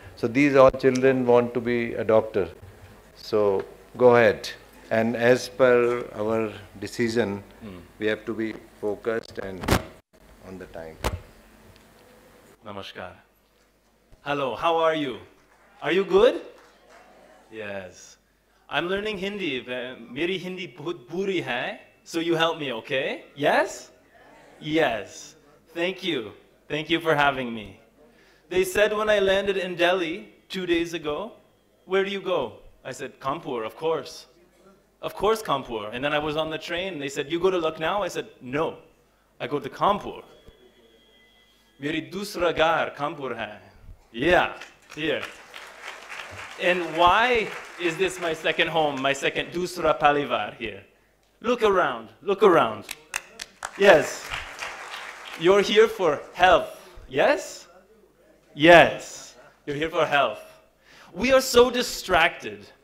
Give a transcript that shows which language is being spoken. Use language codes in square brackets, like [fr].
[en] So these all children want to be a doctor. So go ahead. And as per our decision, we have to be focused and on the time. Namaskar. Hello, how are you? Are you good? Yes. I'm learning Hindi. [hi] मेरी हिंदी बहुत बुरी है। [en] So you help me, okay? Yes? Yes. Thank you. Thank you for having me. They said when I landed in Delhi 2 days ago, where do you go? I said, Kanpur, of course. Of course, Kanpur. And then I was on the train. They said, you go to Lucknow? I said, no, I go to Kanpur. [hi] मेरी दुसरा घर कानपुर है। [en] Yeah, here. And why is this my second home, my second [hi] dusra palivar [en] here? Look around, look around. Yes, you're here for health, yes? Yes, you're here for health. We are so distracted.